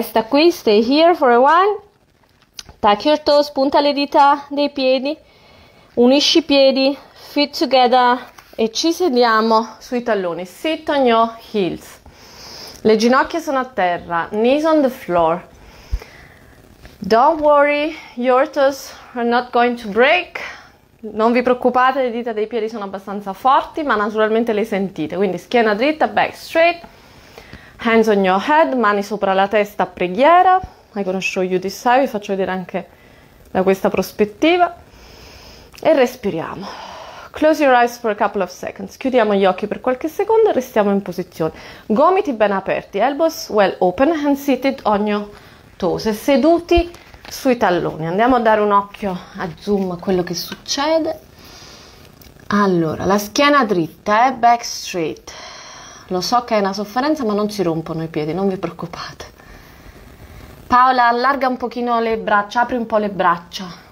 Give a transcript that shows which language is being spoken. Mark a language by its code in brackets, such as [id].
[it] Resta qui, [en] stay here for a while. Tuck your toes, [it] punta le dita dei piedi, unisci i piedi, [en] feet together [it] e ci sediamo sui talloni. [en] Sit on your heels. [it] Le ginocchia sono a terra, [en] knees on the floor. Don't worry, your toes are not going to break. [it] Non vi preoccupate, le dita dei piedi sono abbastanza forti, ma naturalmente le sentite. Quindi schiena dritta, [en] back straight, hands on your head, [it] mani sopra la testa a preghiera. [en] I'm gonna show you this side, [it] vi faccio vedere anche da questa prospettiva. E respiriamo. [en] Close your eyes for a couple of seconds. [it] Chiudiamo gli occhi per qualche secondo e restiamo in posizione. Gomiti ben aperti, [en] elbows well open and seated on your toes. [it] Seduti sui talloni. Andiamo a dare un occhio a zoom a quello che succede. Allora, la schiena dritta, [en] back straight. [it] Lo so che è una sofferenza, ma non si rompono i piedi, non vi preoccupate. Paola, allarga un pochino le braccia, apri un po' le braccia.